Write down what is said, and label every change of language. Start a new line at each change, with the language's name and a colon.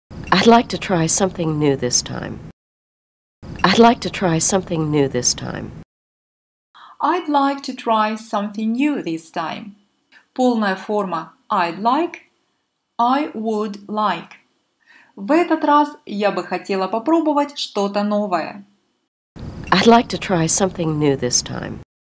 English: I'd like to try something new this time. I'd like to try something new this time. I'd like to try something new this time.
Russian: Полная форма
English: I'd like, I would like.
Russian: В этот раз я бы хотела попробовать что-то новое.
English: I'd like to try something new this time.